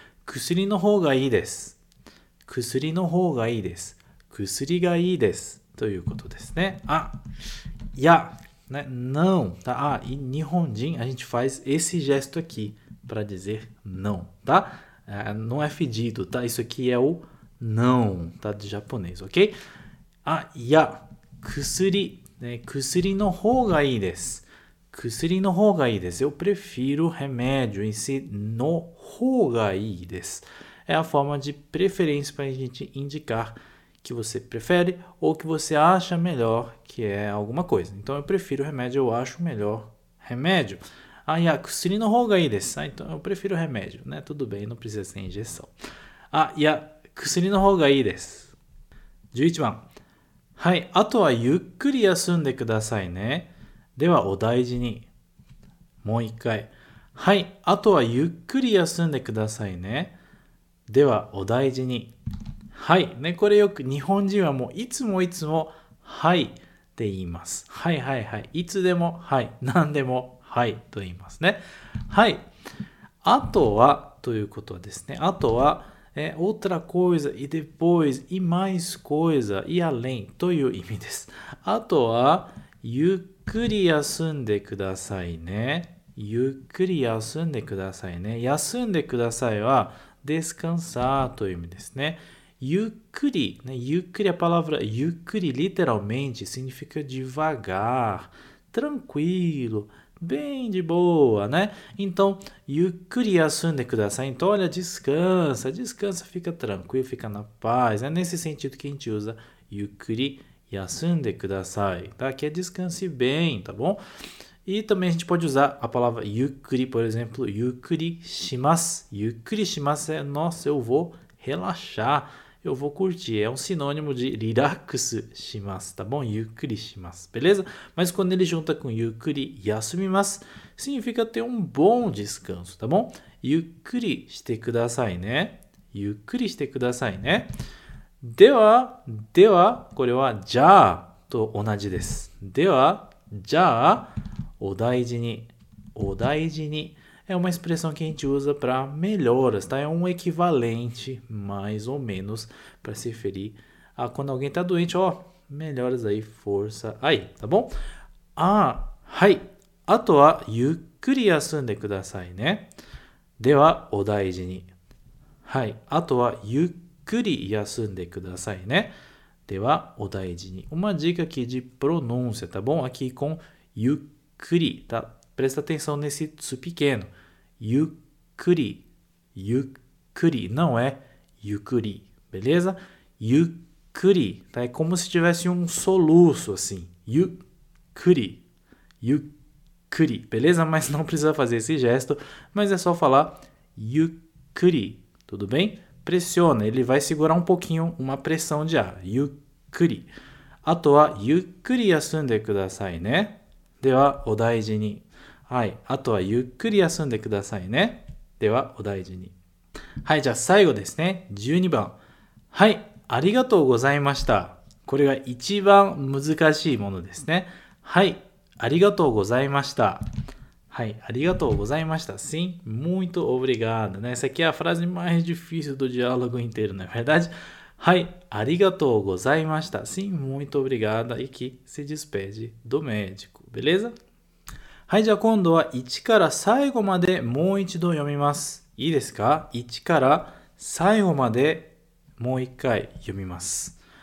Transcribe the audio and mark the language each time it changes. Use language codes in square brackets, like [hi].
[ja] 薬の方がいいです。薬の方がいいです。薬がいいです。ということですね。あ、いや、ね、 [pt] não, tá? [ja] あ、日本人、 [pt] a gente faz esse gesto aqui para dizer não, tá? É, não é pedido, tá? Isso aqui é o não, tá? De japonês, ok? [ja] あ、いや、薬、ね、薬の方がいいです。薬の方がいいです。 [pt] Eu prefiro remédio em si no方がいいです。 É a forma de preferência para a gente indicar que você prefere ou que você acha melhor que é alguma coisa. Então, eu prefiro remédio, eu acho melhor remédio. [ja] Ah, ya, 薬の方がいいです。 [pt] Ah, então, eu prefiro remédio, né? Tudo bem, não precisa ser injeção. [ja] Ah, ya, 薬の方がいいです。11番。はい、あとはゆっくり休んでくださいね。では、お大事に。もう一回。はい、あとはゆっくり休んでくださいね。では、お大事に。はい、ね、これよく日本人はもういつもいつも、はいって言います。はいはいはい。いつでも、はい。何でも、はいと言いますね。はい。あとは、ということはですね。あとは、 [pt] outra coisa, e depois, e mais coisa, e além [ja] という意味です。あとは、ゆっくり休んでくださいね。ゆっくり休んでくださいね。休んでくださいは、descansar という意味ですね。 [pt] ゆっくり、ね、ゆっくり、a palavra ゆっくり、literalmente, significa devagar, tranquilo, bem de boa, né? Então, [ja] ゆっくり休んでください。 [pt] Então, olha, descansa, descansa, fica tranquilo, fica na paz. É nesse sentido que a gente usa [ja] ゆっくり休んでください。 [pt] Tá? Que é descanse bem, tá bom? E também a gente pode usar a palavra yukuri, por exemplo, [ja] yukuri shimasu. Yukuri shimasu [pt] é, nossa, eu vou relaxar, eu vou curtir. É um sinônimo de [ja] rirakusu shimasu, [pt] tá bom? [ja] Yukuri shimasu, [pt] beleza? Mas quando ele junta com [ja] yukuri yasumimasu, [pt] significa ter um bom descanso, tá bom? [ja] ゆっくりしてくださいね。ゆっくりしてくださいね。では、では、これはじゃあと同じです。では、じゃあ、お大事に、お大事に。 [pt] É uma expressão que a gente usa para melhoras, tá? É um equivalente, mais ou menos, para se referir a quando alguém está doente, ó, melhoras aí, força aí, tá bom? [ja] Ah, はい。あとは、ゆっくり休んでくださいね。では、お大事に。はい。あとは、ゆっくり休んでくださいね。では、お大事に。 [pt] Uma dica aqui de pronúncia, tá bom? Aqui com ゆっくり、tá? Presta atenção nesse su pequeno. Yukuri. Yukuri. Não é yukuri. Beleza? Yukuri. Tá? É como se tivesse um soluço, assim. Yukuri. Yukuri. Beleza? Mas não precisa fazer esse gesto. Mas é só falar yukuri. Tudo bem? Pressiona. Ele vai segurar um pouquinho uma pressão de ar. [ja] Yukuri. あとはゆっくり休んでくださいね。では、お大事に。はい、あとはゆっくり休んでくださいね。では、お大事に。はい、じゃあ最後ですね。12番。はい、ありがとうございました。これが一番難しいものですね。はい、ありがとうございました。はい、ありがとうございました。 [pt] Sim, muito obrigado. Essa aqui é a frase mais difícil do diálogo inteiro, não é verdade? [ja] はい、ありがとうございました。 [pt] Sim, muito obrigado. E que se despede do médico, beleza? [ja] はい、じゃあ今度は1から最後までもう一度読みます。いいですか ?1 から最後までもう一回読みます。